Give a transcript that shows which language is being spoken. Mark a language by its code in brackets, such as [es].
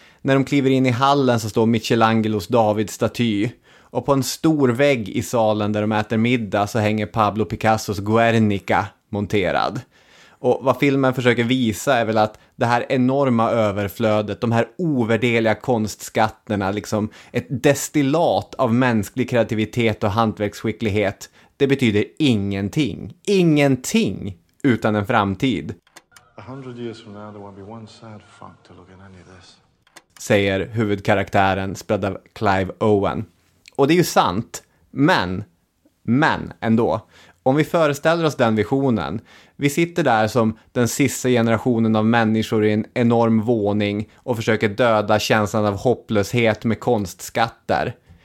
[sv] När de kliver in i hallen så står Michelangelos Davidstaty, och på en stor vägg i salen där de äter middag så hänger Pablo Picassos Guernica monterad. Och vad filmen försöker visa är väl att det här enorma överflödet, de här ovärdeliga konstskatterna, liksom ett destillat av mänsklig kreativitet och hantverksskicklighet, det betyder ingenting. Ingenting! Utan en framtid. [en] 100 years from now there won't be one sad fuck to look at any of this. [sv] Säger huvudkaraktären, spelad av Clive Owen. Och det är ju sant, men ändå. Om vi föreställer oss den visionen. Vi sitter där som den sista generationen av människor i en enorm våning och försöker döda känslan av hopplöshet med konstskatter.